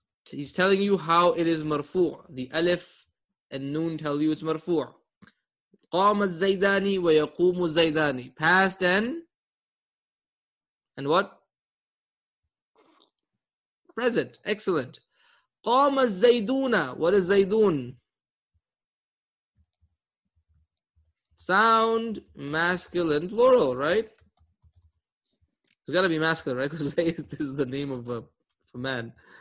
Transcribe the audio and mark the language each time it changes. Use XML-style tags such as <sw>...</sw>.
<en>He's telling you how it is marfu', the alif and noon tell you it's marfu'.</en> <ar>قَامَ الزَّيْدَانِ وَيَقُومُ الزَّيْدَانِ</ar> <en>Past and what? Present. Excellent.</en> <ar>قَامَ الزَّيْدُونَ</ar> <en>What is</en> <ar>زَيْدُون?</ar> <en>Sound masculine plural, right? It's got to be masculine, right? Because Zayd is the name of a man.</en>